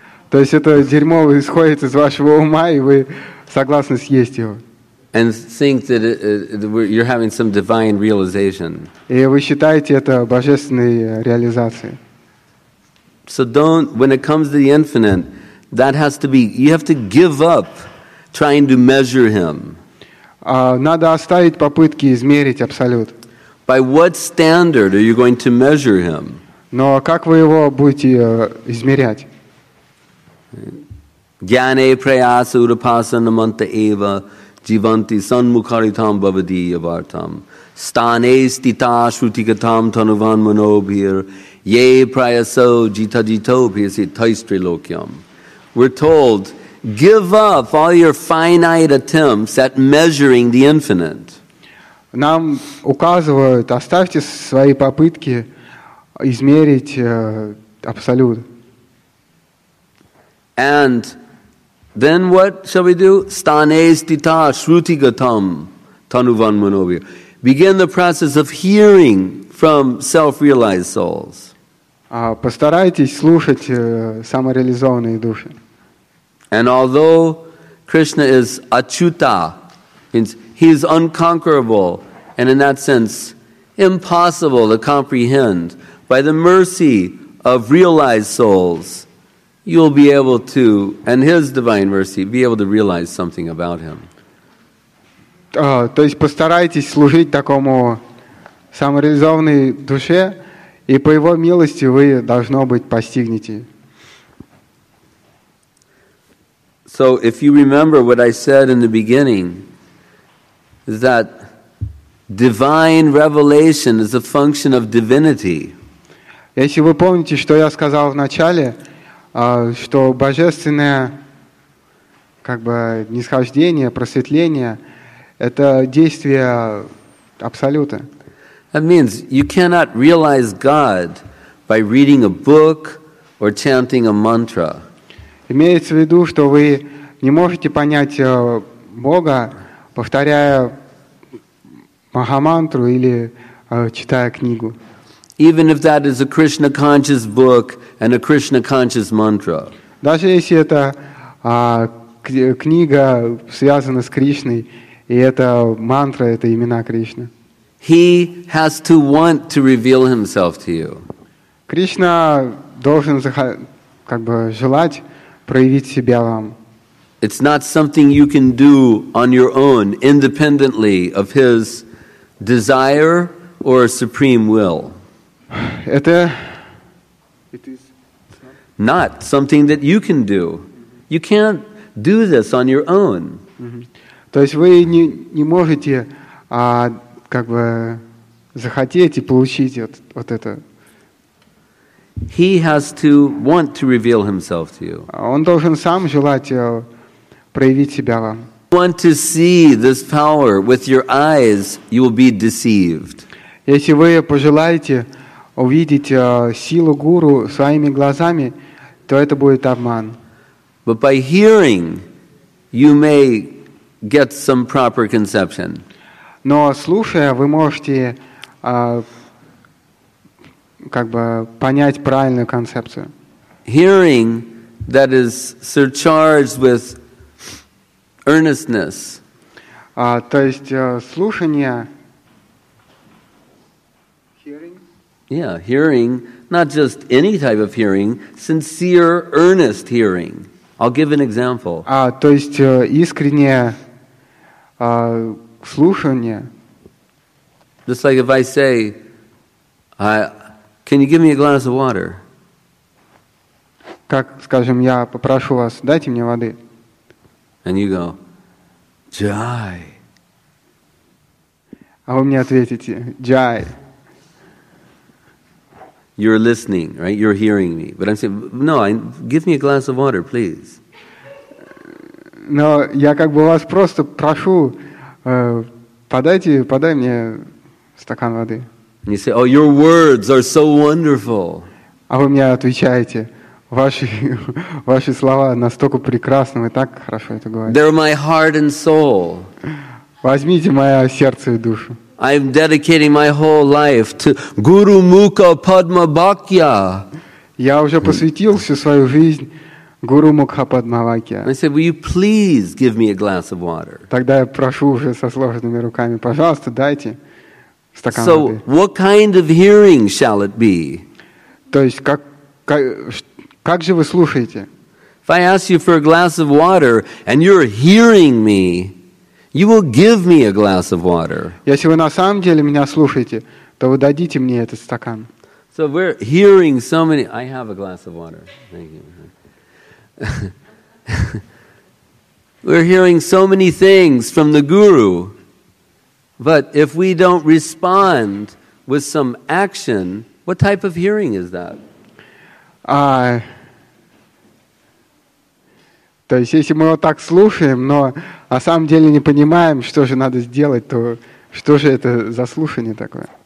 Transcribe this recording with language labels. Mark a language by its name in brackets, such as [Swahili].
[Russian] То есть это дерьмо исходит из вашего ума, и вы согласны съесть его. [English] And think that you're having some divine realization. [Russian] И вы считаете это божественной реализацией. [English] So don't, when it comes to the infinite, that has to be, you have to give up trying to measure him. [Russian] Надо оставить попытки измерить абсолют. [English] By what standard are you going to measure him? [Russian] Но как вы его будете измерять? [Sanskrit] Gyane prayasa udapasa namanta eva jivanti sanmukharitam bhavadi yavartam stane stita shrutikatam tanuvan manobhir Ye prayaso jita jito pisi taistrilokyam. [English] We're told, give up all your finite attempts at measuring the infinite. [Russian] Нам указывают, оставьте свои попытки измерить абсолют. [English] And then what shall we do? [Sanskrit] Sthanestita shrutigatam tanuvanmanovya. [English] Begin the process of hearing from self-realized souls. [Russian] Постарайтесь слушать самореализованные души. [English] And although Krishna is achyuta, means he is unconquerable, and in that sense impossible to comprehend, by the mercy of realized souls, you'll be able to, and his divine mercy, be able to realize something about him. [Russian] То есть постарайтесь служить такому самореализованной душе, и по его милости вы, должно быть, постигнете. [English] So if you remember what I said in the beginning, is that divine revelation is a function of divinity. [Russian] Если вы помните, что я сказал в начале, что божественное как бы нисхождение, просветление — это действие Абсолюта. [English] That means you cannot realize God by reading a book or chanting a mantra. [Russian] Имеется в виду, что вы не можете понять Бога, повторяя Махамантру или читая книгу. [English] Even if that is a Krishna conscious book and a Krishna conscious mantra. [Russian] Даже если это книга связана с Кришной, и это мантра, это имена Кришны. [English] He has to want to reveal himself to you. [Russian] Кришна должен как бы желать проявить себя вам. [English] It's not something you can do on your own, independently of his desire or supreme will. [Russian] Это [English] not something that you can do. You can't do this on your own. [Russian] То есть вы не можете как бы захотеть и получить вот это. [English] He has to want to reveal himself to you. [Russian] Он должен сам желать проявить себя вам. [English] Want to see this power with your eyes, you will be deceived. [Russian] Если вы пожелаете увидеть силу гуру своими глазами, то это будет обман. [English] But by hearing, you may get some proper conception. [Russian] Но слушая, вы можете как бы понять правильную концепцию. [English] Hearing that is surcharged with earnestness. [Russian] То есть слушание. [English] Yeah, hearing, not just any type of hearing, sincere, earnest hearing. I'll give an example. [Russian] То есть искреннее слушание. [English] Just like if I say, can you give me a glass of water? [Russian] Как, скажем, я попрошу вас, дайте мне воды. [English] And you go, Jai. [Russian] А вы мне ответите, Jai. [English] You're listening, right? You're hearing me. But I'm saying, no, give me a glass of water, please. [Russian] Но я как бы вас просто прошу, подай мне стакан воды. [English] And you say, oh, your words are so wonderful. [Russian] А вы мне отвечаете, ваши слова настолько прекрасны, вы так хорошо это говорите. [English] They're my heart and soul. [Russian] Возьмите мое сердце и душу. [English] I'm dedicating my whole life to Guru Mukha Padma Bhakya. [Russian] Я уже посвятил всю свою жизнь Guru Mukha Padma Bhakya. [English] I said, will you please give me a glass of water? [Russian] Тогда я прошу уже со сложенными руками, пожалуйста, дайте стакан воды. [English] So what kind of hearing shall it be? [Russian] То есть как же вы слушаете? [English] If I ask you for a glass of water and you're hearing me, you will give me a glass of water. [Russian] Если вы на самом деле меня слушаете, то вы дадите мне этот стакан. [English] So we're hearing so many. I have a glass of water. Thank you. We're hearing so many things from the guru, but if we don't respond with some action, What type of hearing is that? [Russian] То есть, если мы вот так слушаем, но на самом деле не понимаем, что же надо сделать, то что же это за слушание такое?